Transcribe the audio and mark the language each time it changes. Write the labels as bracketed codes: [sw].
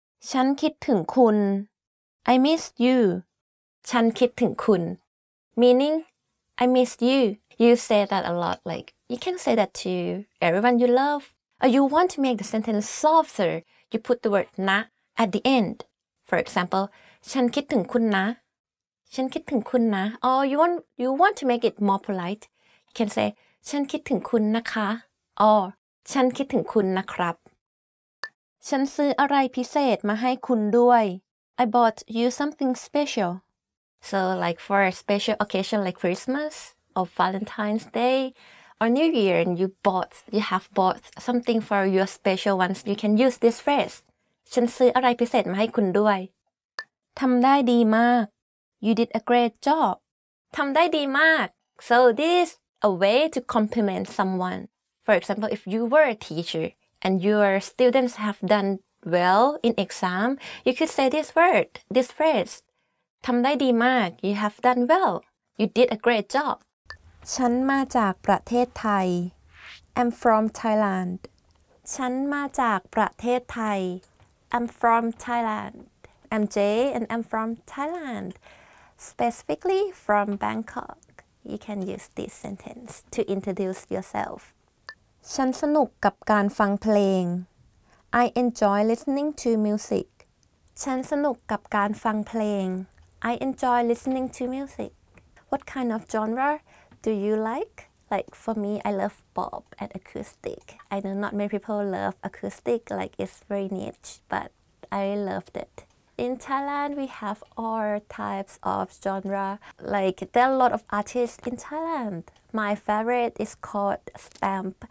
[th] ฉันคิดถึงคุณ. [en] I miss you. [th] ฉันคิดถึงคุณ. [en] Meaning, I miss you. You say that a lot, like you can say that to everyone you love, or you want to make the sentence softer. You put the word na at the end. For example, [th] ฉันคิดถึงคุณนะ ฉันคิดถึงคุณนะ [en] Or you want to make it more polite, you can say [th] ฉันคิดถึงคุณนะคะ [en] Or [th] ฉันคิดถึงคุณนะครับ ฉันซื้ออะไรพิเศษมาให้คุณด้วย [en] I bought you something special. So like for a special occasion like Christmas or Valentine's Day. On New Year, and you have bought something for your special ones. You can use this phrase. [th] ฉันซื้ออะไรพิเศษมาให้คุณด้วย. ทำได้ดีมาก. [en] You did a great job. [th] ทำได้ดีมาก. [en] So this is a way to compliment someone. For example, if you were a teacher and your students have done well in exam, you could say this word, this phrase. [th] ทำได้ดีมาก. [en] You have done well. You did a great job. [th] ฉันมาจากประเทศไทย [en] I'm from Thailand [th] ฉันมาจากประเทศไทย [en] I'm from Thailand I'm Jay and I'm from Thailand Specifically from Bangkok You can use this sentence to introduce yourself [th] ฉันสนุกกับการฟังเพลง [en] I enjoy listening to music [th] ฉันสนุกกับการฟังเพลง [en] I enjoy listening to music What kind of genre? Do you like? Like for me, I love pop and acoustic. I know not many people love acoustic, like it's very niche, but I loved it. In Thailand, we have all types of genre. Like there are a lot of artists in Thailand. My favorite is called Stamp.